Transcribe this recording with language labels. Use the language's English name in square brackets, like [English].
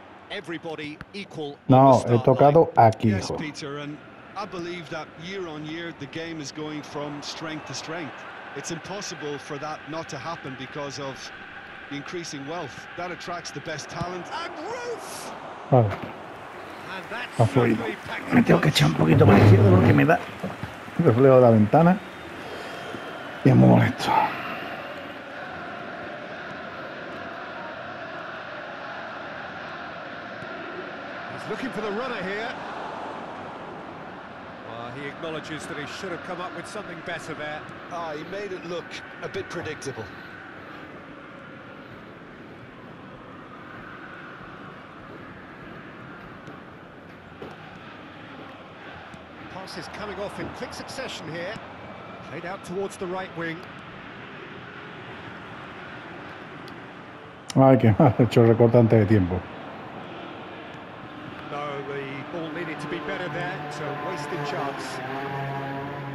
[English] Everybody equal. [Spanish] No, he tocado aquí, hijo. [English] Peter, and I believe that year on year the game is going from strength to strength. It's impossible for that not to happen because of increasing wealth that attracts the best talent. [Spanish] Vale. Ha fluido. Me tengo que echar un poquito más izquierdo porque me da el reflejo de la ventana y es muy molesto. [English] He's looking for the runner here. Well, he acknowledges that he should have come up with something better there. Ah, he made it look a bit predictable. Is coming off in quick succession here, played out towards the right wing. [Spanish] Ay, qué mal, he hecho recortante de tiempo. [English] No, the ball needed to be better there, so wasted chance.